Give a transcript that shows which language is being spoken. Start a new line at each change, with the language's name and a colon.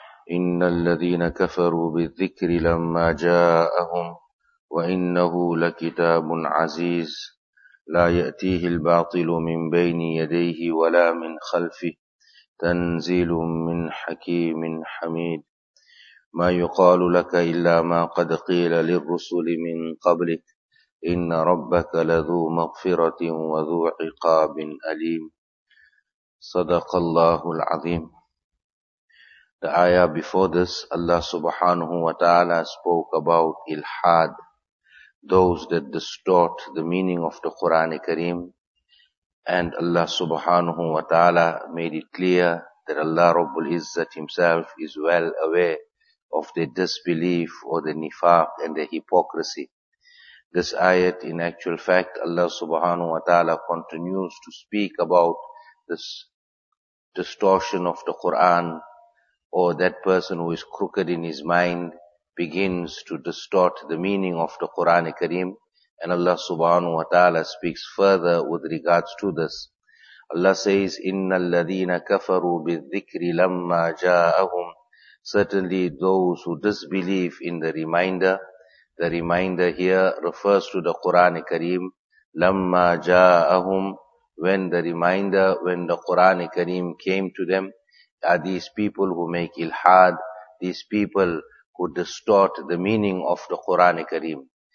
Arabic: إن الذين كفروا بالذكر لما جاءهم وإنه لكتاب عزيز لا يأتيه الباطل من بين يديه ولا من خلفه تنزيل من حكيم حميد. ما يقال لك إلا ما قد قيل للرسل من قبلك إن ربك لذو مغفرة وذو عقاب أليم. صدق الله العظيم.
English: The ayah before this, Allah subhanahu wa ta'ala spoke about ilhad, those that distort the meaning of the Qur'an Kareem, and Allah subhanahu wa ta'ala made it clear that Allah Rabbul Izzat himself is well aware of the disbelief or the nifaq and the hypocrisy. This ayat, in actual fact, Allah subhanahu wa ta'ala continues to speak about this distortion of the Qur'an, or that person who is crooked in his mind begins to distort the meaning of the Qur'an Kareem. And Allah subhanahu wa ta'ala speaks further with regards to this. Allah says,
Arabic: إِنَّ الَّذِينَ كَفَرُوا بِالذِّكْرِ لَمَّا جَاءَهُمْ.
English: Certainly those who disbelieve in the reminder. The reminder here refers to the Qur'an Kareem.
Arabic: لَمَّا جَاءَهُمْ.
English: When the reminder, when the Qur'an Kareem came to them, are these people who make ilhad, these people who distort the meaning of the Qur'an Kareem.